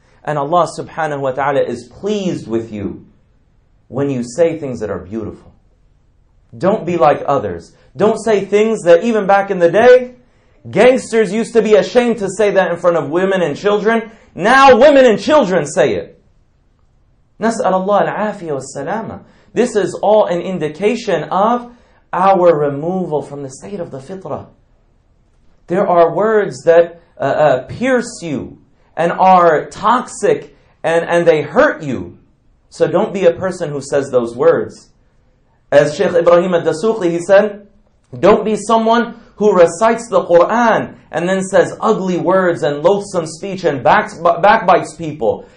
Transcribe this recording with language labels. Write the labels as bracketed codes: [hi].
[en] And Allah [ar] subhanahu wa ta'ala [en] is pleased with you when you say things that are beautiful. Don't be like others. Don't say things that even back in the day, gangsters used to be ashamed to say that in front of women and children. Now women and children say it. [ar] نسأل الله العافية والسلامة. [en] This is all an indication of our removal from the state of the fitrah. There are words that pierce you and are toxic and they hurt you. So don't be a person who says those words. As Shaykh Ibrahim al-Dasukhi, he said, don't be someone who recites the Qur'an and then says ugly words and loathsome speech and backbites people.